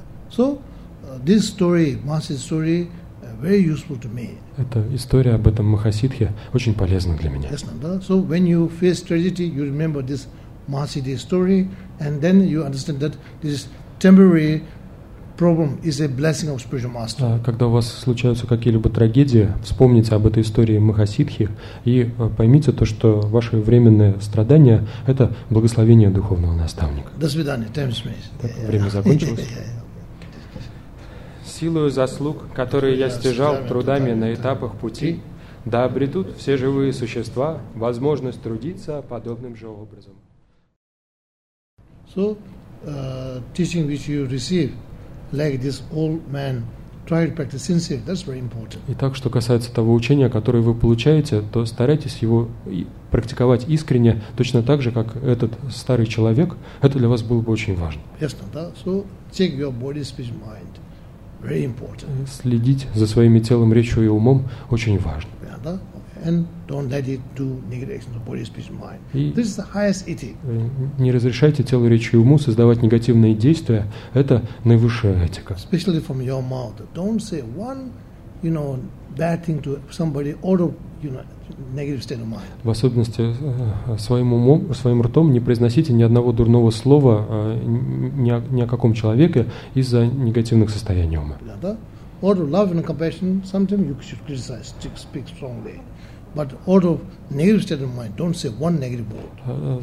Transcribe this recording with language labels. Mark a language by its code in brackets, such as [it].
[en] So this story, Masi's story, very useful to me. [ru] Эта история об этом махасидхе очень полезна для меня. [en] Yes, [ru] да? [en] So when you face tragedy, you remember this Masi story, and then you understand that this temporary problem is a blessing of spiritual master. [ru] Когда у вас случаются какие-либо трагедии, вспомните об этой истории махасидхи и поймите то, что ваши временные страдания – это благословение духовного наставника. До свидания. [en] Time is finished. [ru] Время закончилось. Силою заслуг, которые я стяжал трудами на этапах пути, да обретут все живые существа возможность трудиться подобным же образом. [en] So, teaching which you receive, like this old man, try to practice sincerely. That's very important. [ru] Итак, что касается того учения, которое вы получаете, то старайтесь его практиковать искренне, точно так же, как этот старый человек. Это для вас было бы очень важно. Ясно, да? [en] So, check your body, speech, mind. Very important. [ru] Следить за своим телом, речью и умом очень важно. [en] And don't let it do negative actions of body, speech, mind. This is the highest etic. [ru] Не разрешайте телу, речи и уму создавать негативные действия. Это наивысшая этика. [en] Especially from your mouth. Don't say one, you know, bad thing to somebody or, you know, negative state of mind. [ru] В особенности своим умом, своим ртом не произносите ни одного дурного слова ни о каком человеке из-за негативных состояний ума. [en] Or love and compassion, sometimes you should criticize, speak strongly. But out of negative state of mind, don't say one negative word.